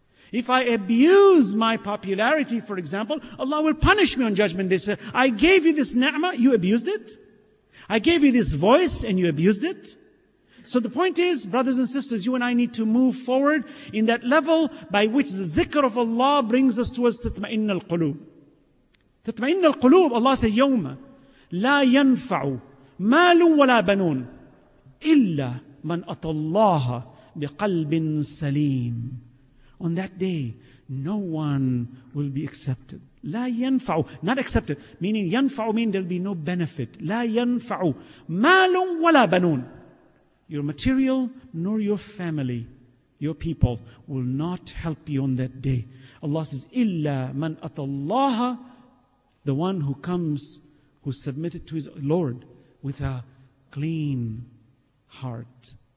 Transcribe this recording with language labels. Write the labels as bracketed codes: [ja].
[en] If I abuse my popularity, for example, Allah will punish me on Judgment Day. Say, I gave you this ni'mah, you abused it. I gave you this voice and you abused it. So the point is, brothers and sisters, you and I need to move forward in that level by which the dhikr of Allah brings us towards tatma'inna al-qulub. [ar] Tatma'inna al-qulub, [en] Allah says, [ar] يَوْمَ لَا يَنْفَعُ مَالٌ وَلَا بَنُونَ إِلَّا مَنْ أَطَى اللَّهَ بِقَلْبٍ سَلِيمٍ. [en] On that day, no one will be accepted. [ar] لا ينفع, [en] not accepted, meaning ينفع means there'll be no benefit. [ar] لا ينفع مال ولا بنون, [en] your material nor your family. your people will not help you on that day. Allah says, [ar] "Illa man atallaha," [en] the one who comes, who submitted to his Lord with a clean heart.